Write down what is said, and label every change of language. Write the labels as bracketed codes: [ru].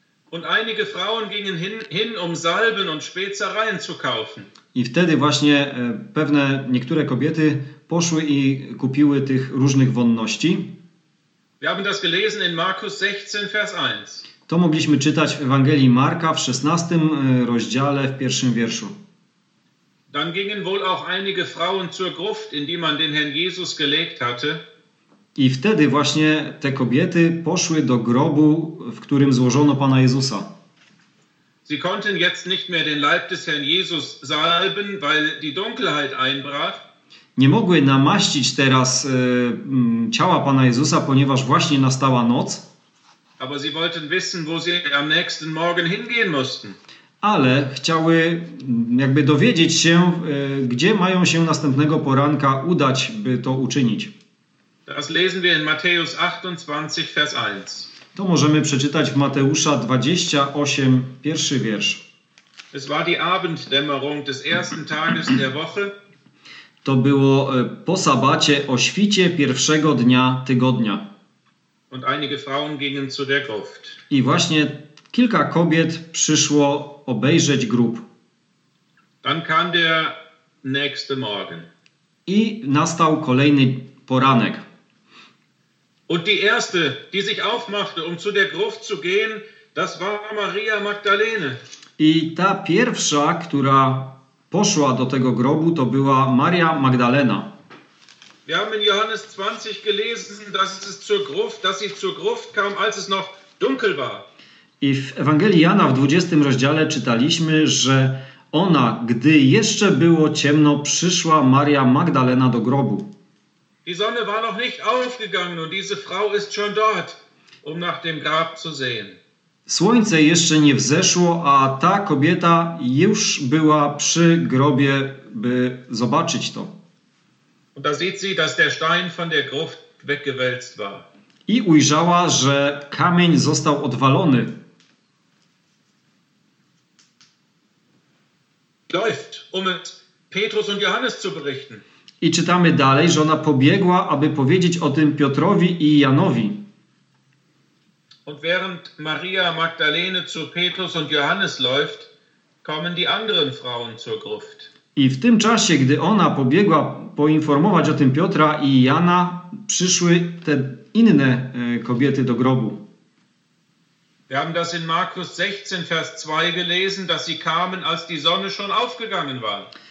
[de] Und einige Frauen gingen hin, um Salben und Spezereien zu kaufen. [pl] I wtedy właśnie pewne niektóre kobiety poszły i kupiły tych różnych wonności. [de] Wir haben das gelesen in Markus 16, Vers 1. [pl] To mogliśmy czytać w Ewangelii Marka w 16 rozdziale w pierwszym wierszu. [de] Dann gingen wohl auch einige Frauen zur Gruft, in die man den Herrn Jesus gelegt hatte. [pl] I wtedy właśnie te kobiety poszły do grobu, w którym złożono Pana Jezusa. [de] Sie konnten jetzt nicht mehr den Leib des Herrn Jesus salben, weil die Dunkelheit einbrach. [pl] Nie mogły namaścić teraz ciała Pana Jezusa, ponieważ właśnie nastała noc. [de] Aber sie wollten wissen, wo sie am nächsten Morgen hingehen mussten. [pl] Ale chciały jakby dowiedzieć się, gdzie mają się następnego poranka udać, by to uczynić. [de] Das lesen wir in Matthäus 28, Vers 1. [pl] To możemy przeczytać w Mateusza 28, pierwszy wiersz. [de] Es war die Abenddämmerung des ersten Tages der Woche. [pl] To było po sabacie, o świcie pierwszego dnia tygodnia. [de] Und einige Frauen gingen zu der Gruft. [pl] I właśnie kilka kobiet przyszło obejrzeć grób. [de] Dann kam der nächste Morgen. [pl] I nastał kolejny poranek. [de] Und die erste, die sich aufmachte, um zu der Gruft zu gehen, das war Maria Magdalene. [pl] I ta pierwsza, która poszła do tego grobu, to była Maria Magdalena. [de] Wir haben in Johannes 20 gelesen, dass sie zur Gruft kam, als es noch dunkel war. [pl] I w Ewangelii Jana w 20 rozdziale czytaliśmy, że ona, gdy jeszcze było ciemno, przyszła Maria Magdalena do grobu. [de] Die Sonne war noch nicht aufgegangen und diese Frau ist schon dort, um nach dem Grab zu sehen. [pl] Słońce jeszcze nie wzeszło, a ta kobieta już była przy grobie, by zobaczyć to. [de] Und da sieht sie, dass der Stein von der Gruft weggewälzt war. [pl] I ujrzała, że kamień został odwalony. [de] Läuft, um mit Petrus und Johannes zu berichten. [pl] I czytamy dalej, że ona pobiegła, aby powiedzieć o tym Piotrowi i Janowi. [de] Und während Maria Magdalene zu Petrus und Johannes läuft, kommen die anderen Frauen zur Gruft. [pl] I w tym czasie, gdy ona pobiegła poinformować o tym Piotra i Jana, przyszły te inne kobiety do grobu. [de] Wir haben das in Markus 16, Vers 2 gelesen, dass sie kamen, als die Sonne schon aufgegangen war.